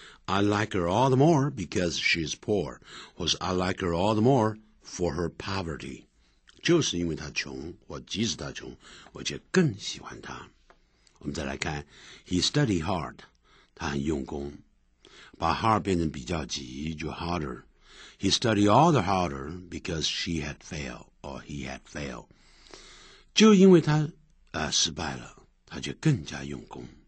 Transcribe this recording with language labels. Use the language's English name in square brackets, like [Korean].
[English] I like her all the more because she's poor. [Chinese] 或是 [English] I like her all the more for her poverty. [Chinese] 就是因为她穷，或即使她穷，我却更喜欢她。我们再来看 ， [English] He studied hard. [Chinese] 他很用功。把 hard 变成比较级，就 harder. [English] He studied all the harder because she had failed or he had failed. [Chinese] 就因为他失败了，他就更加用功。